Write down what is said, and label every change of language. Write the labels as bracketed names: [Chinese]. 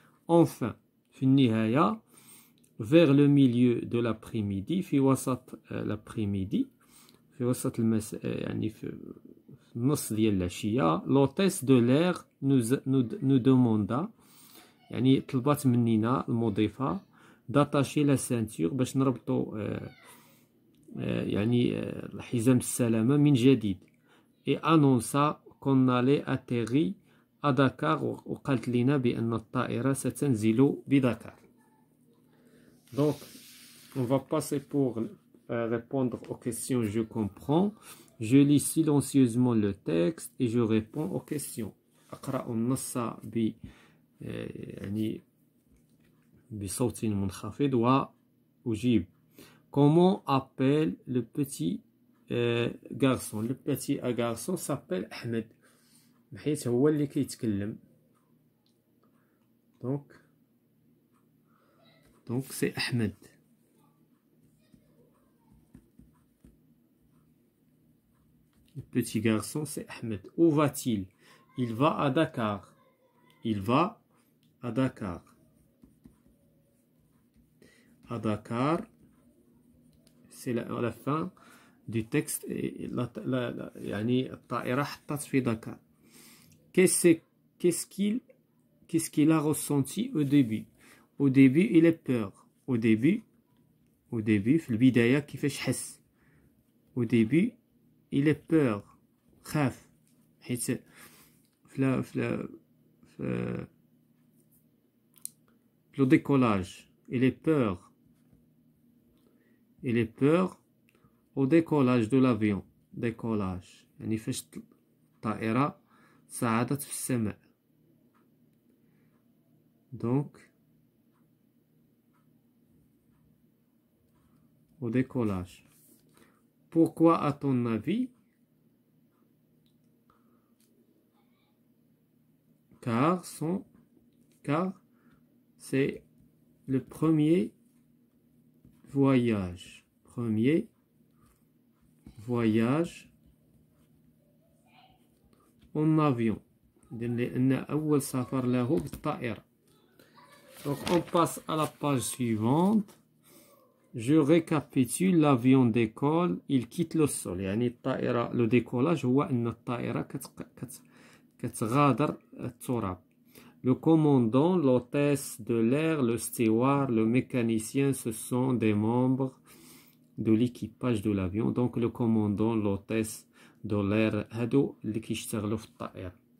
[Arabic] انفان، في النهاية، [French] vers le milieu de l'après-midi، [Arabic] في وسط l'après-midi، في وسط المساء، يعني في نص ديال العشية، [French] l'hôtesse de l'air nous demanda، [Arabic] يعني طلبات منينا المضيفة، [French] d'attacher la ceinture، [Arabic] باش نربطو يعني الحزام السلامة من جديد، [French] et annonça qu'on allait atterrir à Dakar، [Arabic] وقالت لنا بأن الطائرة ستنزل بداكار. [French] Donc, on va passer pour répondre aux questions. Je comprends. Je lis silencieusement le texte et je réponds aux questions. [Arabic] Aqra an-nassa bi yani bi sawtin munkhafid wa ujib. [French] Comment appelle le petit garçon? Le petit garçon s'appelle Ahmed. [Arabic] Mhayt huwa li kaytkellem. [French] Donc c'est Ahmed. Le petit garçon, c'est Ahmed. Où va-t-il? Il va à Dakar. Il va à Dakar. À Dakar, c'est la fin du texte. [Arabic] يعني الطائرة حطت في دكار. [French] Qu'est-ce qu'il a ressenti au début? Au début, il a peur. Au début, [Arabic] في البداية كيفاش حس؟ [French] Au début, il a peur. [Arabic] خاف. حيت في le décollage. [French] Il a peur au décollage de l'avion. Décollage. [Arabic] يعني فاش الطائرة صعدت في السماء. [French] Donc, au décollage. Pourquoi, à ton avis? Car c'est le premier voyage. Premier voyage en avion. Donc on passe à la page suivante. Je récapitule, l'avion décolle, il quitte le sol. [Arabic] يعني الطائرة, le décollage, هو أن الطائرة كتغادر التراب. [French] Le commandant, l'hôtesse de l'air, le steward, le mécanicien, ce sont des membres de l'équipage de l'avion. Donc le commandant, l'hôtesse de l'air, [Arabic] هادو اللي كيشتغلوا في الطائرة.